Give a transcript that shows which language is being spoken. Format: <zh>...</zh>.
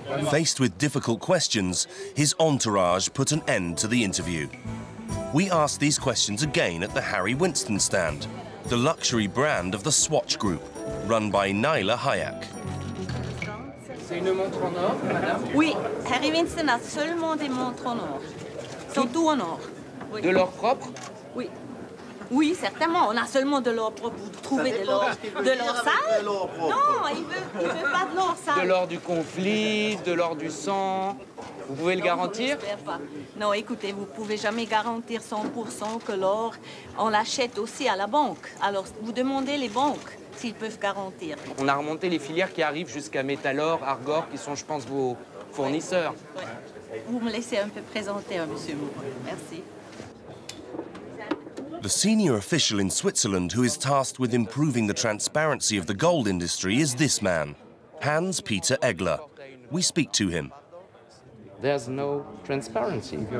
<en>Faced with difficult questions, his entourage put an end to the interview. We asked these questions again at the Harry Winston stand, the luxury brand of the Swatch Group, run by Naila Hayek.</en> <fr>C'est une montre en or, madame? Oui, Harry Winston a seulement des montres en or. Sont tout en or. De l'or propre? Oui. Oui, certainement. On a seulement de l'or propre. Vous trouvez de l'or sale? De l'or propre. Non, il veut pas de l'or sale. De l'or du conflit, de l'or du sang. Vous pouvez le garantir? Non, écoutez, vous pouvez jamais garantir 100% que l'or, on l'achète aussi à la banque. Alors, vous demandez les banques s'ils peuvent garantir. On a remonté les filières qui arrivent jusqu'à Metalor, Argor, qui sont, je pense, vos fournisseurs. Ouais. Vous me laissez un peu présenter, hein, monsieur Moore. Merci.</fr> <en>The senior official in Switzerland who is tasked with improving the transparency of the gold industry is this man, Hans-Peter Egler. We speak to him. There's no transparency.</en>